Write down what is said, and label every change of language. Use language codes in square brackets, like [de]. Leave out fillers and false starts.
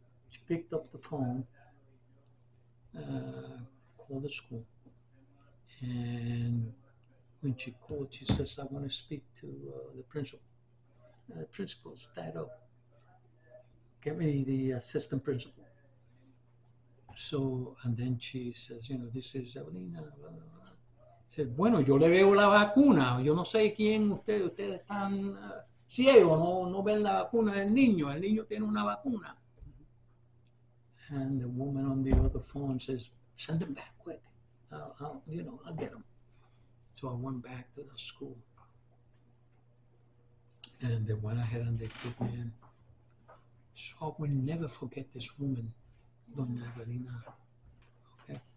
[en] She picked up the phone, called the school, and when she called, she says, I want to speak to the principal. The principal, stand up. Get me the assistant principal. So, and then she says, you know, this is Evelina. [es] Said, bueno, yo le veo la vacuna. Yo no sé quién ustedes están ciego. No ven la vacuna del niño. El niño tiene una vacuna. [en] And the woman on the other phone says, send them back quick. I'll get them. So I went back to the school. And they went ahead and they put me in. So I will never forget this woman, Doña Evelina. Okay?